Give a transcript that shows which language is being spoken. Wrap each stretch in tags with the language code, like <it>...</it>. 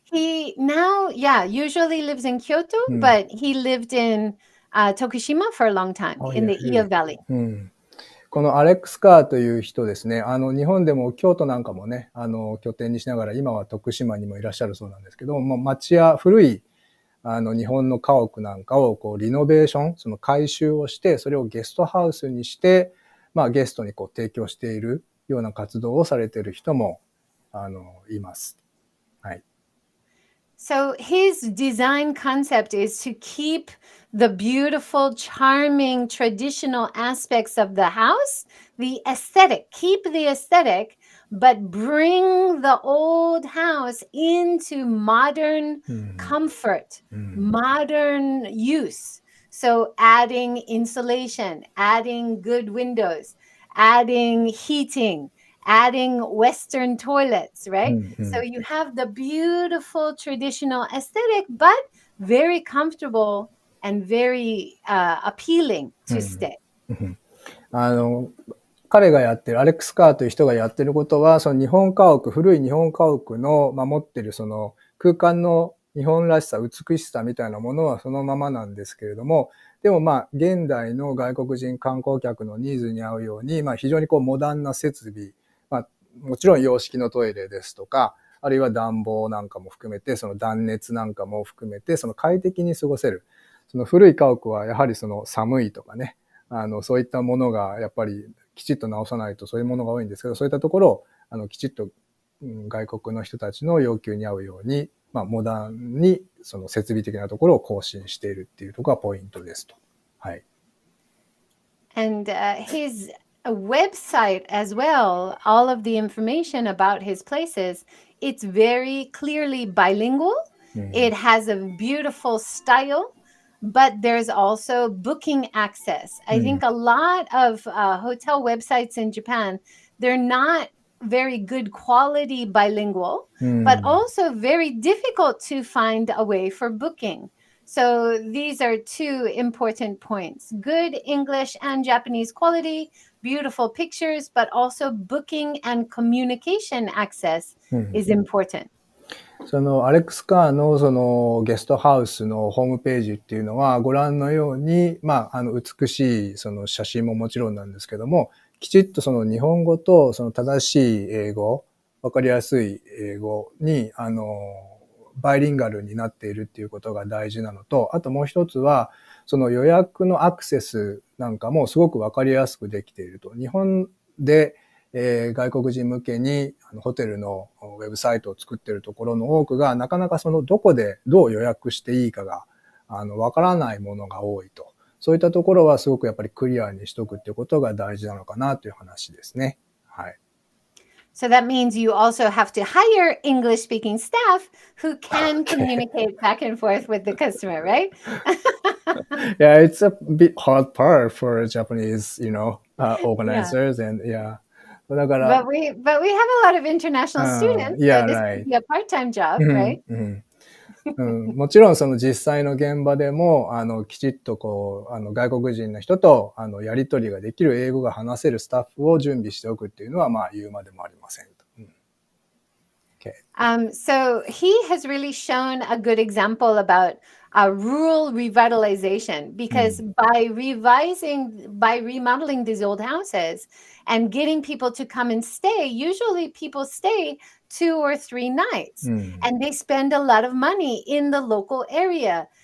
<en>He usually lives in Kyoto, but he lived in Tokushima for a long time, in the Ia Valley.</en> <ja>このアレックス・カーという人ですね、日本でも京都なんかもね、拠点にしながら、今は徳島にもいらっしゃるそうなんですけど、もう町や古い日本の家屋なんかをこうリノベーション、その改修をして、それをゲストハウスにして、まあ、ゲストにこう提供しているような活動をされている人もいます。はい。</ja> <en>So his design concept is to keep the beautiful, charming, traditional aspects of the house, the aesthetic, keep the aesthetic, but bring the old house into modern comfort, modern use. So adding insulation, adding good windows, adding heating,adding Western toilets, right? So you have the beautiful traditional aesthetic, but very comfortable and very appealing to stay.</en> <ja>彼がやってる、アレックス・カーという人がやってることは、その日本家屋、古い日本家屋の守ってるその空間の日本らしさ、美しさみたいなものはそのままなんですけれども、でもまあ、現代の外国人観光客のニーズに合うように、まあ非常にこうモダンな設備、もちろん洋式のトイレですとか、あるいは暖房なんかも含めて、その断熱なんかも含めて、その快適に過ごせる。その古い家屋はやはりその寒いとかね、そういったものがやっぱりきちっと直さないとそういうものが多いんですけど、そういったところをきちっと外国の人たちの要求に合うように、まあモダンにその設備的なところを更新しているっていうところがポイントですと。はい。</ja> <en>And his a website as well, all of the information about his places. It's very clearly bilingual. Mm-hmm. It has a beautiful style, but there's also booking access. Mm-hmm. I think a lot of hotel websites in Japan, they're not very good quality bilingual, mm-hmm. but also very difficult to find a way for booking. So these are two important points. Good English and Japanese quality, beautiful pictures, but also booking and communication access is important.</en> <ja>そのアレックス・カーのそのゲストハウスのホームページっていうのはご覧のように、まあ、あの美しいその写真ももちろんなんですけども、きちっとその日本語とその正しい英語、わかりやすい英語に、あの、バイリンガルになっているっていうことが大事なのと、あともう一つは、その予約のアクセスなんかもすごくわかりやすくできていると。日本で、外国人向けにホテルのウェブサイトを作っているところの多くが、なかなかそのどこでどう予約していいかが、あの、わからないものが多いと。そういったところはすごくやっぱりクリアにしとくっていうことが大事なのかなという話ですね。はい。</ja> <en>So that means you also have to hire English speaking staff who can communicate back and forth with the customer, right? Yeah, it's a bit hard part for Japanese, you know, organizers. Yeah. And yeah.</en> <ja>だから、</ja> <en>But we have a lot of international students. Yeah, so this right. could be a part-time job, right?</en> <ja>もちろんその実際の現場でも、あの、きちっとこう、あの、外国人の人と、あの、やり取りができる英語が話せるスタッフを準備しておくっていうのは、まあ、言うまでもありません。</ja> <en>So he has really shown a good example about a rural revitalization because by remodeling these old houses and getting people to come and stay, usually people stay two or three nights and they spend a lot of money in the local area.</en>